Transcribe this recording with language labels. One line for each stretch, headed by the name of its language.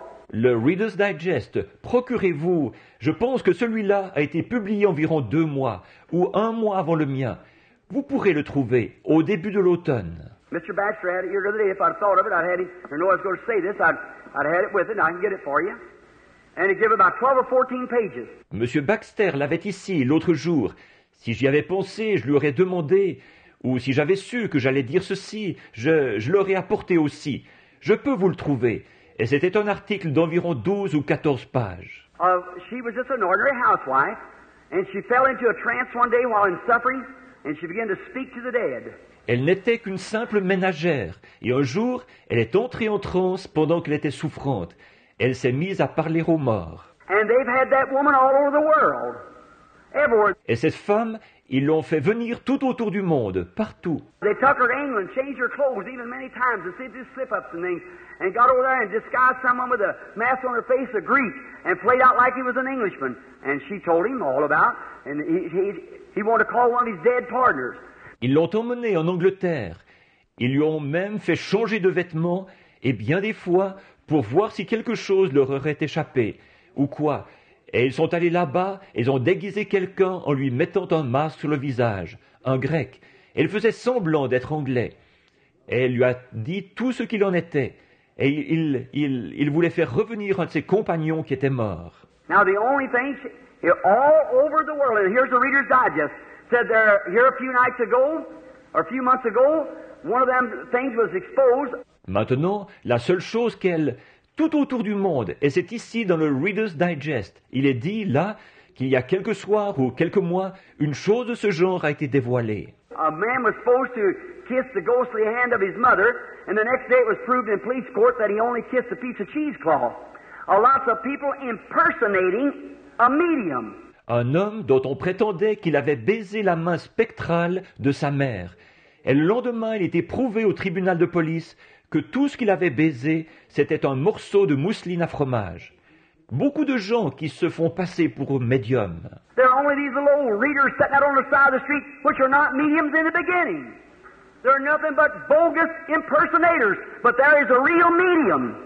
French: Le Reader's Digest, procurez-vous, je pense que celui-là a été publié environ 2 mois ou 1 mois avant le mien. Vous pourrez le trouver au début de l'automne.
English: Mr. Baxter, had it here the other day. If I'd thought of it, I'd had it. I know I was going to say this. I'd had it with it. And I can get it for you. And it'd give about 12 or 14 pages.
French: Monsieur Baxter l'avait ici l'autre jour. Si j'y avais pensé, je lui aurais demandé. Ou si j'avais su que j'allais dire ceci, je l'aurais apporté aussi. Je peux vous le trouver. Et c'était un article d'environ 12 ou 14 pages.
English: She was just an ordinary housewife, and she fell into a trance one day while in suffering, and she began to speak to the dead.
French: Elle n'était qu'une simple ménagère, et un jour, elle est entrée en transe pendant qu'elle était souffrante. Elle s'est mise à parler aux morts.
English: And they've had that woman all over the world. Everywhere.
French: Et cette femme, ils l'ont fait venir tout autour du monde, partout.
English: They took her to England, changed her clothes even many times to see if there's slip-ups and things, and got over there and disguised someone with a mask on her face, a Greek, and played out like he was an Englishman. And she told him all about, and he wanted to call one of his dead partners.
French: Ils l'ont emmenée en Angleterre. Ils lui ont même fait changer de vêtements et bien des fois pour voir si quelque chose leur aurait échappé ou quoi. Et ils sont allés là-bas et ils ont déguisé quelqu'un en lui mettant un masque sur le visage, un grec. Elle faisait semblant d'être anglais. Et elle lui a dit tout ce qu'il en était. Et il voulait faire revenir un de ses compagnons qui était mort.
English: Now the only thing, all over the world, and here's the Reader's Digest. Said there here a few nights ago, or a few months ago, one of them things was exposed.
French: Maintenant, la seule chose qu'elle, tout autour du monde, et c'est ici dans le Reader's Digest, il est dit là qu'il y a quelques soirs ou quelques mois, une chose de ce genre a été dévoilée.
English: A man was supposed to kiss the ghostly hand of his mother, and the next day it was proved in police court that he only kissed a piece of cheesecloth. A lot of people impersonating a medium.
French: Un homme dont on prétendait qu'il avait baisé la main spectrale de sa mère. Et le lendemain, il était prouvé au tribunal de police que tout ce qu'il avait baisé, c'était un morceau de mousseline à fromage. Beaucoup de gens qui se font passer pour médiums.
English: There are only these little readers sitting out on the side of the street, which are not mediums in the beginning. There are nothing but bogus impersonators, but there is a real medium.